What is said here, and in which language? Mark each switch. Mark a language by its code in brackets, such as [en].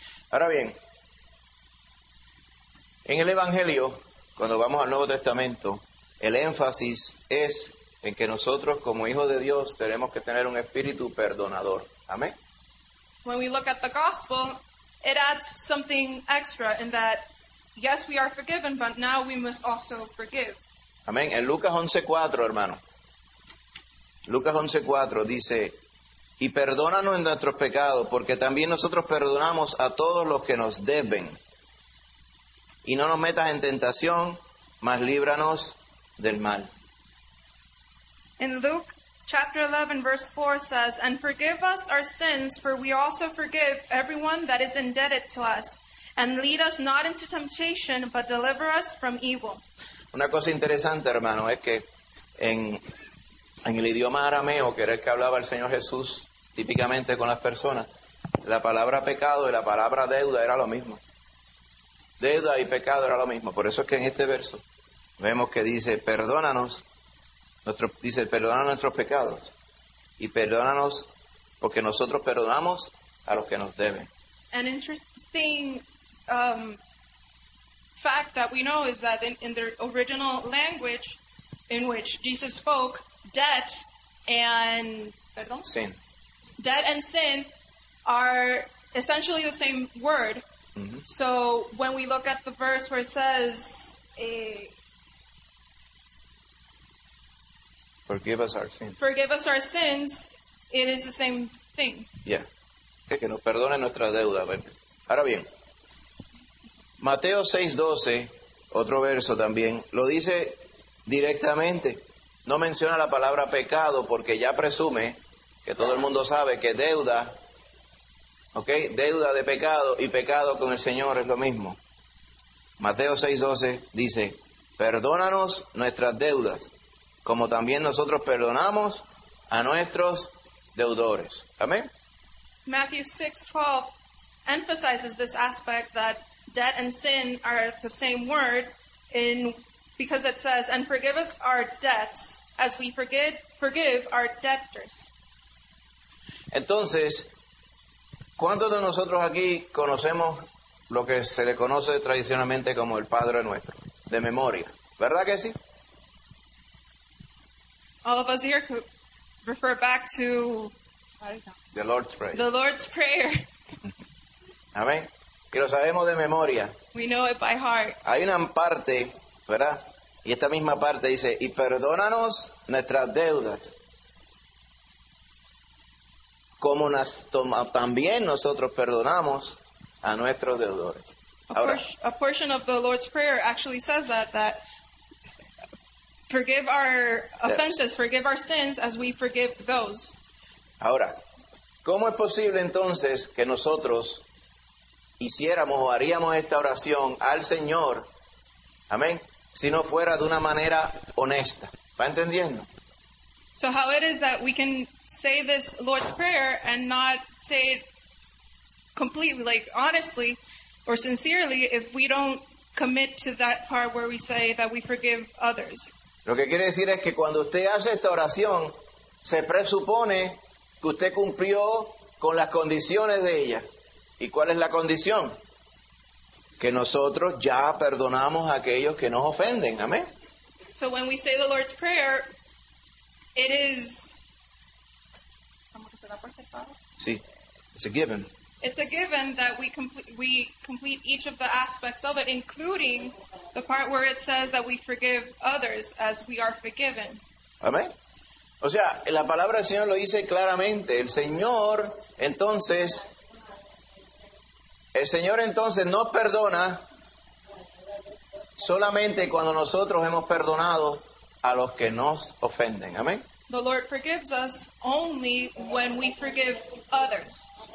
[es] Ahora bien, en el Evangelio, cuando vamos al Nuevo Testamento, el énfasis es en que nosotros como hijos de Dios tenemos que tener un espíritu perdonador. Amén. [en] When we look at the gospel, it adds something extra in that, yes, we are forgiven, but now we must also forgive. [es] Amén. En Lucas 11:4, hermano. Lucas 11:4 dice, y perdónanos en nuestros pecados, porque también nosotros perdonamos a todos los que nos deben. Y no nos metas en tentación, mas líbranos del mal. [en] In Luke chapter 11, verse 4 says, and forgive us our sins, for we also forgive everyone that is indebted to us. And lead us not into temptation, but deliver us from evil. [es] Una cosa interesante, hermano, es que en el idioma arameo, que era el que hablaba el Señor Jesús típicamente con las personas, la palabra pecado y la palabra deuda era lo mismo. Deuda y pecado era lo mismo. Por eso es que en este verso vemos que dice, perdónanos nuestros pecados. y perdónanos porque nosotros perdonamos a los que nos deben. [en] An interesting fact that we know is that in the original language in which Jesus spoke, debt and [es] perdón, sin. [en] Debt and sin are essentially the same word. Mm-hmm. So when we look at the verse where it says, forgive us our sins. Forgive us our sins. It is the same thing. [es] Yeah. Que nos perdone nuestra deuda. Ahora bien, Mateo 6:12, otro verso también, lo dice directamente. No menciona la palabra pecado porque ya presume que todo el mundo sabe que deuda, ¿ok? Deuda de pecado y pecado con el Señor es lo mismo. Mateo 6:12 dice, perdónanos nuestras deudas, como también nosotros perdonamos a nuestros deudores. Amén. [en] Matthew 6:12 emphasizes this aspect that debt and sin are the same word, in because it says, and forgive us our debts as we forgive our debtors. [es] Entonces, ¿cuántos de nosotros aquí conocemos lo que se le conoce tradicionalmente como el Padre Nuestro, de memoria? ¿Verdad que sí? [en] All of us here could refer back to the Lord's Prayer. The Lord's Prayer. [es] Amén. Y lo sabemos de memoria. [en] We know it by heart. [es] Hay una parte, ¿verdad? Y esta misma parte dice, y perdónanos nuestras deudas, como nos toma, también nosotros perdonamos a nuestros deudores. [en] Ahora, a portion of the Lord's Prayer actually says that forgive our offenses, yes, forgive our sins as we forgive those. [es] Ahora, ¿cómo es posible entonces que nosotros hiciéramos o haríamos esta oración al Señor, amén, si no fuera de una manera honesta? ¿Va entendiendo? [en] So how it is that we can say this Lord's Prayer and not say it completely, like honestly or sincerely, if we don't commit to that part where we say that we forgive others? [es] Lo que quiere decir es que cuando usted hace esta oración, se presupone que usted cumplió con las condiciones de ella. ¿Y cuál es la condición? Que nosotros ya perdonamos a aquellos que nos ofenden. Amén. [en] So when we say the Lord's Prayer, it is... [es] ¿Cómo que se da por aceptado? [en] Sí. It's a given. It's a given that we complete each of the aspects of it, including the part where it says that we forgive others as we are forgiven. [es] Amén. O sea, la palabra del Señor lo dice claramente. El Señor, entonces, nos perdona solamente cuando nosotros hemos perdonado a los que nos ofenden. Amén. [en] The Lord forgives us only when we forgive others.